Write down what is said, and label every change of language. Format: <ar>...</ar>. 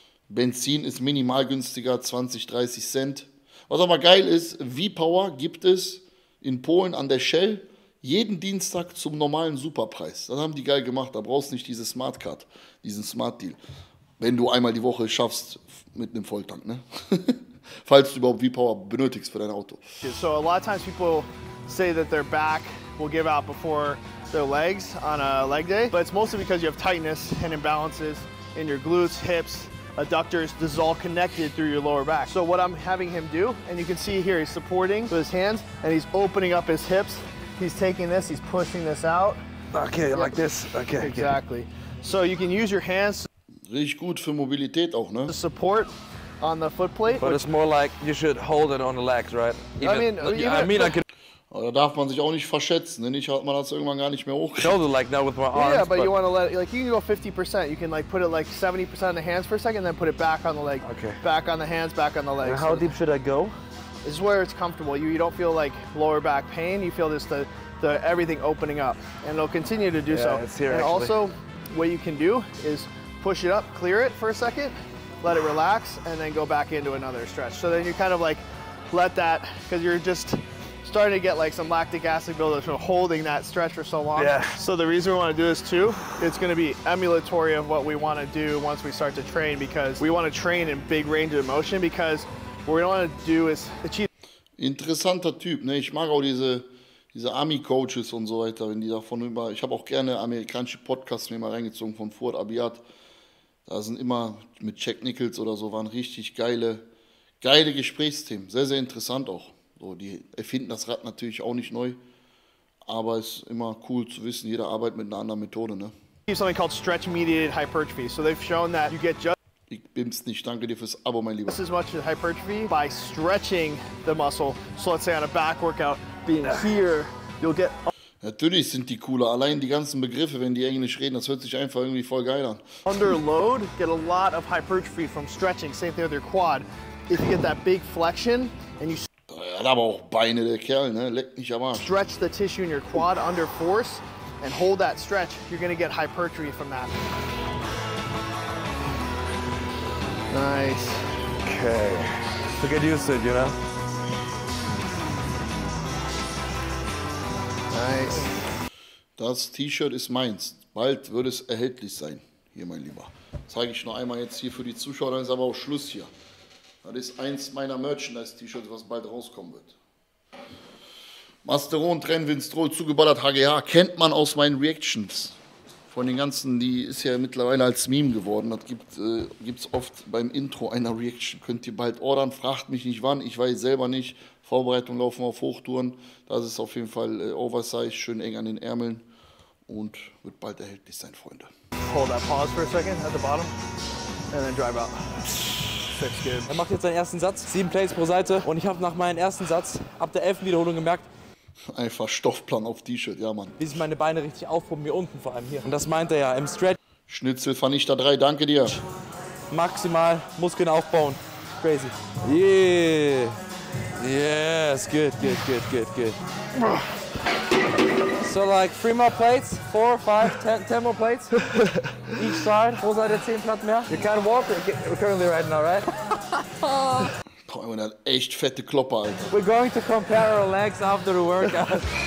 <de>Benzin ist minimal günstiger, 20-30 Cent. Was aber geil ist, V-Power gibt es in Polen an der Shell. Jeden Dienstag zum normalen Superpreis. Dann haben die geil gemacht. Da brauchst du nicht diese Smart Card, diesen Smart Deal. Wenn du einmal die Woche schaffst mit einem Volltank, ne? Falls du überhaupt V-Power benötigst für dein Auto.</de> <en>So a lot of times people say that their back will give out before their legs on a leg day. But it's mostly because you have tightness and imbalances in your glutes, hips, adductors. This is all connected through your lower back. So what I'm having him do, and you can see here, he's supporting with his hands and he's opening up his hips. He's taking this, he's pushing this out. Okay, like this. Okay. Exactly. So you can use your hands.</en> <de>Richtig gut für Mobilität auch, ne?</de> <en>To support on the foot plate. But it's more like you should hold it on the legs, right? Even, I mean, I can.</en> <de>Da darf man sich auch nicht verschätzen, denn nicht hat man das irgendwann gar nicht mehr hoch.</de> <en>Shoulder like now with my arms. Yeah, but you want to let, like, you can go 50%. You can like put it like 70% on the hands for a second, then put it back on the leg. Okay. Back on the hands, back on the legs. And how deep should I go? This is where it's comfortable. You don't feel like lower back pain. You feel this the everything opening up, and it'll continue to do yeah, so. It's here, and actually. Also, what you can do is push it up, clear it for a second, let it relax, and then go back into another stretch. So then you kind of like let that, because you're just starting to get like some lactic acid buildup from holding that stretch for so long. Yeah. So the reason we want to do this too, it's going to be emulatory of what we want to do once we start to train, because we want to train in big range of motion, because what we don't want to do is achieve.</en> <de>Interessanter Typ, ne? Ich mag auch diese Army-Coaches und so weiter, wenn die davon über. Ich habe auch gerne amerikanische Podcasts mir mal reingezogen von Fuad Abiad. Da sind immer mit Jack Nichols oder so, waren richtig geile Gesprächsthemen. Sehr, sehr interessant auch. So, die erfinden das Rad natürlich auch nicht neu, aber es ist immer cool zu wissen, jeder arbeitet mit einer anderen Methode, ne?</de> <en>Something called stretch mediated hypertrophy. So they've shown that you get just.</en> <de>Ich bimm's nicht, danke dir fürs Abo, mein Lieber.</de> <en>Just as much as hypertrophy by stretching the muscle. So let's say on a back workout, being here, you'll get.</en> <de>Natürlich sind die cooler. Allein die ganzen Begriffe, wenn die Englisch reden, das hört sich einfach irgendwie voll geil an.</de> <en>Under load, get a lot of hypertrophy from stretching. Same thing with your quad. If you get that big flexion and you.</en> <de>Er hat aber auch Beine, der Kerl, ne? Leck mich am Arsch.</de> <en>Stretch the tissue in your quad under force and hold that stretch. You're gonna get hypertrophy from that. Nice. Okay. So get used to it, you know? Nice.</en> <de>Das T-Shirt ist meins. Bald wird es erhältlich sein. Hier, mein Lieber. Zeige ich noch einmal jetzt hier für die Zuschauer, dann ist aber auch Schluss hier. Das ist eins meiner Merchandise-T-Shirts, was bald rauskommen wird. Masteron, Trennwindstrohl, zugeballert HGH, kennt man aus meinen Reactions. Von den ganzen, die ist ja mittlerweile als Meme geworden. Das gibt es oft beim Intro einer Reaction. Könnt ihr bald ordern, fragt mich nicht wann, ich weiß selber nicht. Vorbereitungen laufen auf Hochtouren. Das ist auf jeden Fall Oversize, schön eng an den Ärmeln. Und wird bald erhältlich sein, Freunde.</de> <en>Hold that pause for a second at the bottom. And then drive out.</en> <de>Er macht jetzt seinen ersten Satz, 7 Plays pro Seite, und ich habe nach meinem ersten Satz ab der 11. Wiederholung gemerkt, einfach Stoffplan auf T-Shirt, ja Mann. Wie sich meine Beine richtig aufpumpen, hier unten vor allem hier. Und das meint er ja im Stretch. Schnitzel Vernichter 3, danke dir. Maximal Muskeln aufbauen,</de> <en>crazy. Yeah, yes, good, good, good, good, good. So like 3 more plates, 4, 5, 10 more plates, each side,</en> <de>pro Seite 10 Platten mehr.</de> <en>You can't walk, we're currently right now, right?</en> <de>Boah, wir haben eine echt fette Klopper, Alter.</de> <en>We're going to compare our legs after the workout.</en>